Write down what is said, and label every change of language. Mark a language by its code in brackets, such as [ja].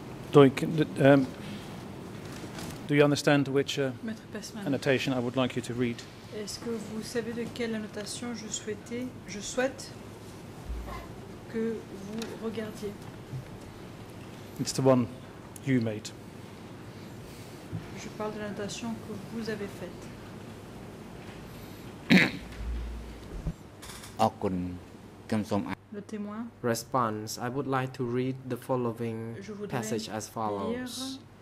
[en] Doig, Do you understand which annotation I would like you to read? [fr] Est-ce que vous savez de quelle annotation je souhaite que vous regardiez? [en] It's the one you made. [fr] Je parle de l'annotation que vous avez faite. Le témoin. [en] Response. I would like to read the following passage as follows.